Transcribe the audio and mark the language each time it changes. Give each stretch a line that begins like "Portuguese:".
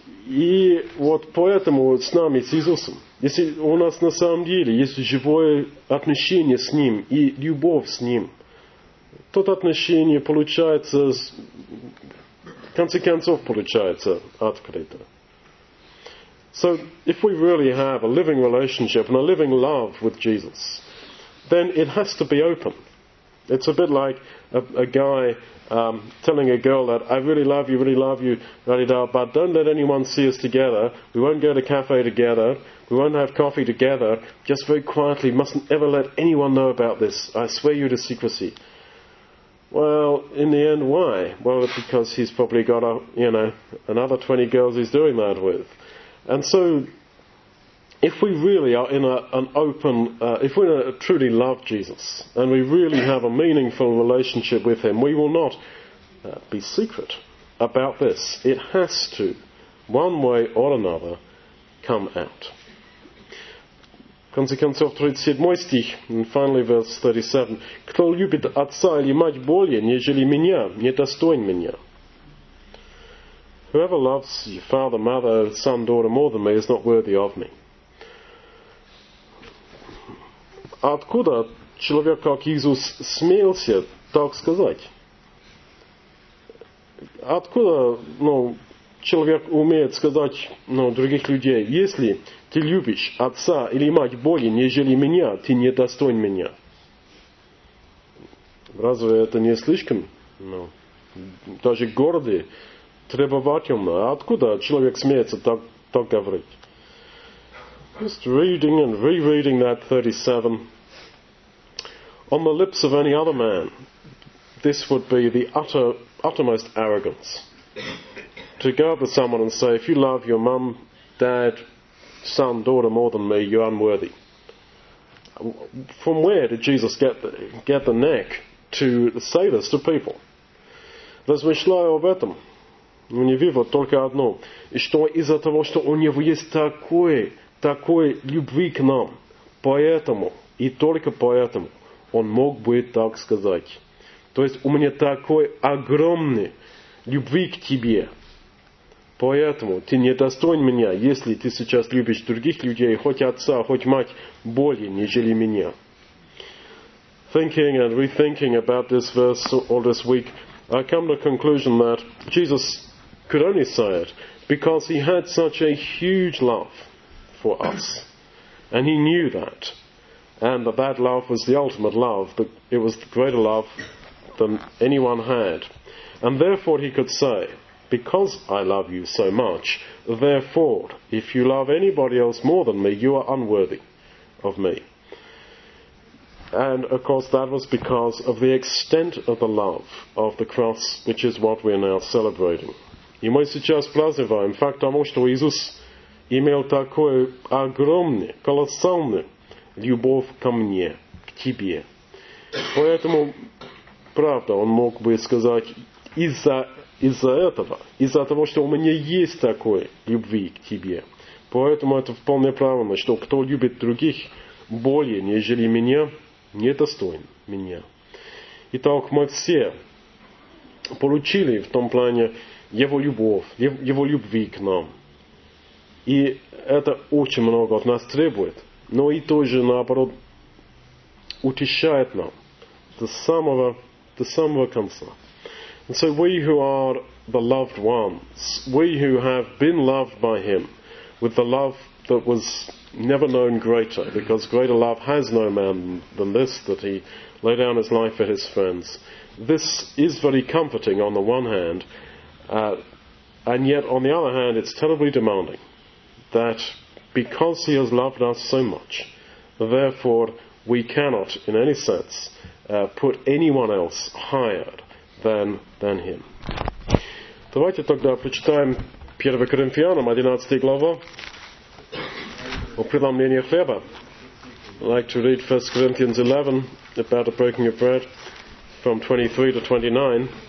Russian: И вот поэтому с нами, с Иисусом, если у нас на самом деле есть живое отношение с Ним и любовь с Ним, то отношение получается, в конце концов, получается открыто.
English: So, if we really have a living relationship and a living love with Jesus, then it has to be open. It's a bit like a guy telling a girl that, I really love you, but don't let anyone see us together. We won't go to cafe together. We won't have coffee together. Just very quietly, mustn't ever let anyone know about this. I swear you to secrecy. Well, in the end, why? Well, because he's probably got another 20 girls he's doing that with. And so, if we really are in truly love Jesus, and we really have a meaningful relationship with him, we will not be secret about this. It has to, one way or another, come out.
Russian: Консеквенция 37 стих,
English: and finally verse 37.
Russian: Кто любит отца или мать более, нежели меня, не достоин меня.
English: Whoever loves your father, mother, son, daughter more than me is not worthy of me.
Russian: Откуда человек, как Иисус, смелся так сказать? откуда, ну, человек умеет сказать, ну, других людей, если ты любишь отца или мать более, нежели меня, ты не достоин меня? Разве это не слишком? Ну, даже гордый, требовательно. А откуда человек смеется так говорить?
English: Just reading and rereading that 37. On the lips of any other man, this would be the uttermost arrogance. To go up to someone and say, if you love your mum, dad, son, daughter more than me, you're unworthy. From where did Jesus get the neck to say this to people?
Russian: Размышляю об этом. У него только одно. И что из-за того, что у него есть такой любви к нам, поэтому и только поэтому он мог бы так сказать. То есть у меня такой огромный любви к тебе, поэтому ты не достоин меня, если ты сейчас любишь других людей, хоть отца, хоть мать, более, нежели меня.
English: Thinking and rethinking about this verse all this week, I come to the conclusion that Jesus could only say it because he had such a huge love for us. And he knew that. And that love was the ultimate love. It was the greater love than anyone had. And therefore he could say, because I love you so much, therefore, if you love anybody else more than me, you are unworthy of me. And of course that was because of the extent of the love of the cross, which is what we are now celebrating.
Russian: И мы сейчас праздновываем факт того, что Иисус имел такой огромный, колоссальный любовь ко мне, к тебе. Поэтому, правда, он мог бы сказать, из-за этого, из-за того, что у меня есть такой любви к тебе. Поэтому это вполне правильно, что кто любит других более, нежели меня, не достоин меня. Итак, мы все получили в том плане его любовь, его любви к нам. И это очень много от нас требует, но и тоже, наоборот, утешает нам до самого конца.
English: And so we who are the loved ones, we who have been loved by him with the love that was never known greater, because greater love has no man than this, that he laid down his life for his friends. This is very comforting on the one hand, and yet on the other hand it's terribly demanding. That because he has loved us so much, therefore we cannot in any sense put anyone else higher than him.
Russian: Давайте тогда прочитаем 1 Коринфянам 11 глава о преломлении хлеба.
English: I'd like to read 1 Corinthians 11 about the breaking of bread from 23 to 29.